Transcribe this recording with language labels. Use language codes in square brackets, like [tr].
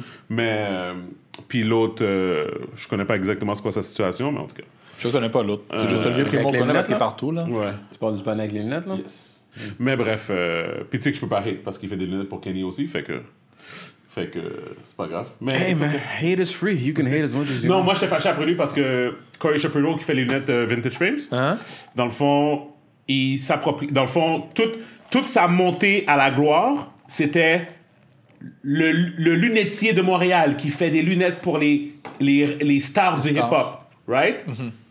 [fr] Mais puis l'autre, je connais pas exactement c'est quoi sa situation, mais en tout cas... Je connais pas l'autre. C'est juste Olivier Primo qu'on connaît, c'est partout, là. Ouais. Tu parles du panier avec les lunettes, là? [en] Yes. [fr] Mais bref, puis tu sais que je peux pas hate parce qu'il fait des lunettes pour Kenny aussi, fait que c'est pas grave. Mais [en] hey man, hate is free, you can hate as much as you want. [fr] Non, moi j'étais fâché après lui parce que Corey Shapiro qui fait les lunettes Vintage Frames, dans le fond, il s'approprie, dans le fond, toute sa montée à la gloire, c'était le lunetier de Montréal qui fait des lunettes pour les stars du hip-hop, right? Mm-hmm.